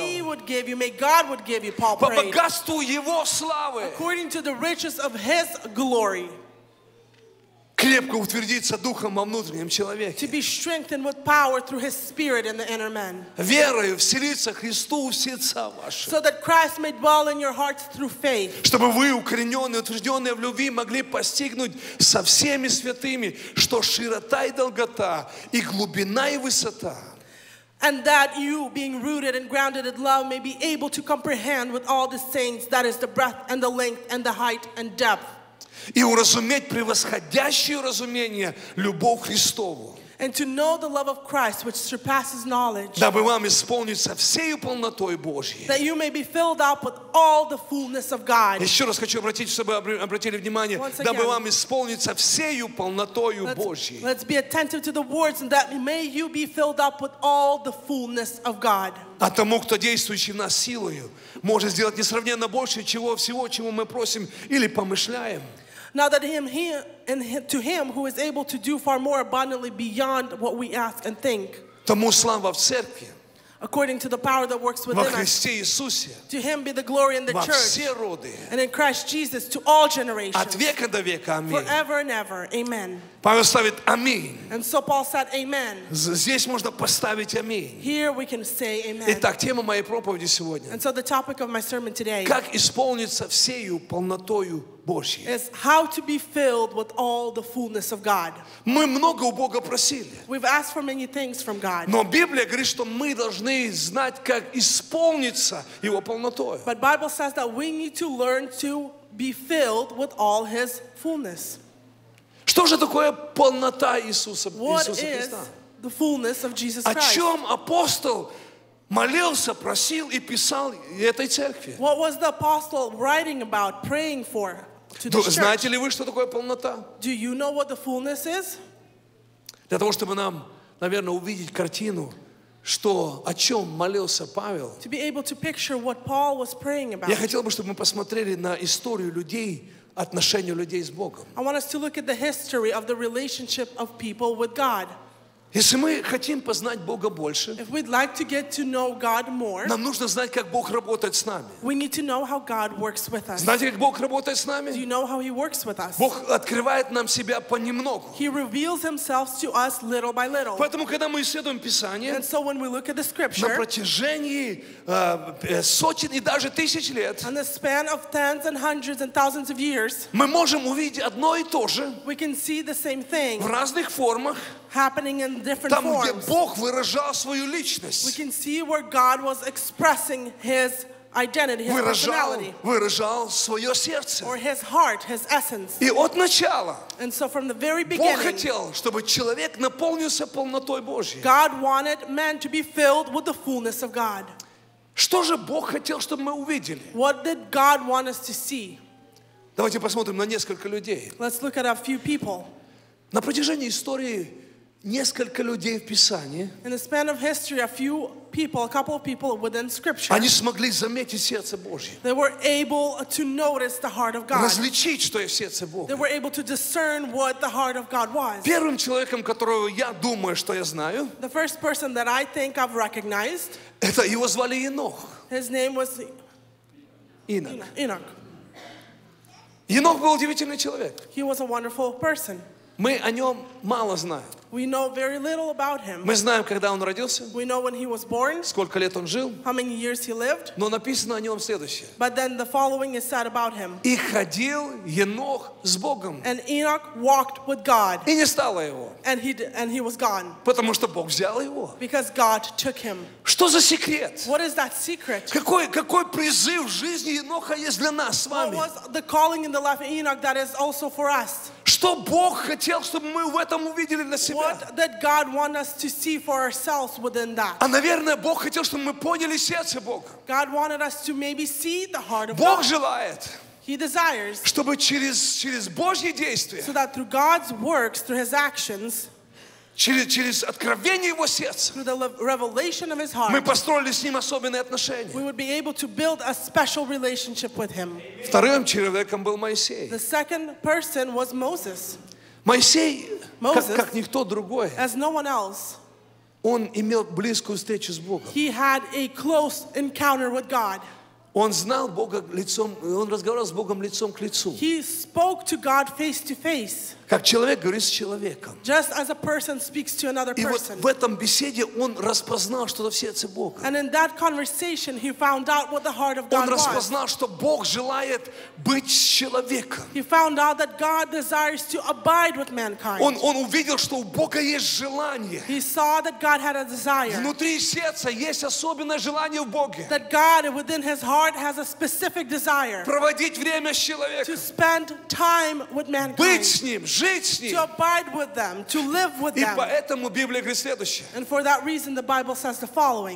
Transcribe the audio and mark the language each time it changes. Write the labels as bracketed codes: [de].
[en] May He would give you, may God would give you, Paul prayed. [ru] По богатству Его славы. [en] According to the riches of His glory. [ru] Крепко утвердиться духом во внутреннем человеке. [en] To be strengthened with power through His Spirit in the inner man. [ru] Верою вселиться Христу в сердца ваши. [en] So that Christ may dwell in your hearts through faith. [ru] Чтобы вы, укорененные, утвержденные в любви, могли постигнуть со всеми святыми, что широта и долгота, и глубина и высота. [en] And that you, being rooted and grounded in love, may be able to comprehend with all the saints, that is the breadth and the length and the height and depth. [ru] И уразуметь превосходящее разумение любовь Христову. [en] And to know the love of Christ which surpasses knowledge. [ru] Дабы вам исполниться всею полнотой Божьей. [en] That you may be filled up with all the fullness of God. [ru] Еще раз хочу обратить, чтобы обратили внимание, [en] again, [ru] дабы вам исполниться всею полнотою Божьей. [en] Let's be attentive to the words and that may you be filled up with all the fullness of God. [ru] А тому, кто действующий в нас силою, может сделать несравненно больше чего всего, чему мы просим или помышляем. [en] Now that him he and to him who is able to do far more abundantly beyond what we ask and think. [ru] Тому слава в церкви. [en] According to the power that works within us. [ru] Во Христе Иисусе. [en] To him be the glory in the [ru] во [en] church. [ru] Во все роды. [en] And in Christ Jesus to all generations. [ru] От века до века, аминь. [en] Forever and ever, amen. [ru] Павел ставит аминь. [en] And so Paul said amen. [ru] Здесь можно поставить аминь. [en] Here we can say amen. [ru] Итак, тема моей проповеди сегодня. [en] And so the topic of my sermon today. [ru] Как исполниться всею полнотою Божьей. [en] Is how to be filled with all the fullness of God. [ru] Мы много у Бога просили. [en] We've asked for many things from God. [ru] Но Библия говорит, что мы должны знать, как исполниться Его полнотой. [en] But Bible says that we need to learn to be filled with all His fullness. [ru] Что же такое полнота Иисуса, Иисуса Христа? [en] What is the fullness of Jesus Christ? [ru] О чем апостол молился, просил и писал этой церкви? [en] What was the apostle writing about, praying for to the church? [ru] Знаете ли вы, что такое полнота? [en] Do you know what the fullness is? [ru] Для того, чтобы нам, наверное, увидеть картину, что о чем молился Павел, [en] to be able to picture what Paul was praying about. [ru] Я хотел бы, чтобы мы посмотрели на историю людей, отношению людей с Богом. [en] I want us to look at the history of the relationship of people with God. [ru] Если мы хотим познать Бога больше, [en] if we'd like to get to know God more, [ru] нам нужно знать, как Бог работает с нами. [en] We need to know how God works with us. [ru] Знаете, как Бог работает с нами? [en] Do you know how He works with us? [ru] Бог открывает нам себя понемногу. [en] He reveals Himself to us little by little. [ru] Поэтому, когда мы исследуем Писание, [en] and so when we look at the Scripture, [ru] на протяжении сотен и даже тысяч лет, [en] on the span of tens and hundreds and thousands of years, [ru] мы можем увидеть одно и то же, [en] we can see the same thing, [ru] в разных формах, [en] happening in different [ru] там, [en] forms. [ru] Где Бог выражал свою личность. [en] We can see where God was expressing His identity, his personality, [ru] выражал свое сердце. [en] Or his heart, his essence. [ru] И от начала, [en] and so from the very beginning, [ru] Бог хотел, чтобы человек наполнился полнотой Божьей. [en] God wanted man to be filled with the fullness of God. [ru] Что же Бог хотел, чтобы мы увидели? [en] What did God want us to see? [ru] Давайте посмотрим на несколько людей. [en] Let's look at a few people. [ru] На протяжении истории несколько людей в Писании. [en] In the span of history, a few people, a couple of people within Scripture. [ru] Они смогли заметить сердце Божье. [en] They were able to notice the heart of God. [ru] Различить, что есть сердце Бога. [en] They were able to discern what the heart of God was. [ru] Первым человеком, которого я думаю, что я знаю. [en] The first person that I think I've recognized. [ru] Это его звали Енох. [en] His name was Enoch. [ru] Енох был удивительный человек. [en] He was a wonderful person. [ru] Мы о нем мало знаем. [en] We know very little about him. [ru] Мы знаем, когда он родился. [en] We know when he was born. [ru] Сколько лет он жил. [en] How many years he lived. [ru] Но написано о нем следующее. [en] But then the following is said about him. [ru] И ходил Енох с Богом. [en] And Enoch walked with God. [ru] И не стало его. [en] And he was gone. [ru] Потому что Бог взял его. [en] Because God took him. [ru] Что за секрет? [en] What is that secret? [ru] Какой призыв в жизни Еноха есть для нас с вами? [en] What was the calling in the life of Enoch that is also for us? [ru] Что Бог хотел, чтобы мы в этом увидели для себя? [en] What did God want us to see for ourselves within that? [ru] А, наверное, Бог хотел, чтобы мы поняли сердце Бога. [en] God wanted us to maybe see the heart of [ru] Бог [en] God. [ru] Бог желает. [en] He desires. [ru] Чтобы через Божьи действия. [en] So that through God's works, through His actions. [ru] Через откровение Его сердца. [en] Through the revelation of His heart. [ru] Мы построили с Ним особенные отношения. [en] We would be able to build a special relationship with Him. [ru] Вторым человеком был Моисей. [en] The second person was Moses. [ru] Моисей, как никто другой, [en] as no one else, [ru] он имел близкую встречу с Богом. [en] He had a close encounter with God. [ru] Он знал Бога лицом, он разговаривал с Богом лицом к лицу. [en] He spoke to God face to face. [ru] Как человек говорит с человеком. [en] Just as a person speaks to another person. [ru] И вот в этом беседе он распознал что-то в сердце Бога. [en] And in that conversation he found out what the heart of God was. [ru] Он распознал, что Бог желает быть с человеком. [en] He found out that God desires to abide with mankind. [ru] Он увидел, что у Бога есть желание. [en] He saw that God had a desire. [ru] Внутри сердца есть особенное желание в Боге. [en] That God within his heart has a specific desire. [ru] Проводить время с человеком. [en] To spend time with mankind. [ru] Быть с ним. Жить с ним. [en] To abide with them, to live with them. [ru] И поэтому Библия говорит следующее. [en] And for that reason, the Bible says the following.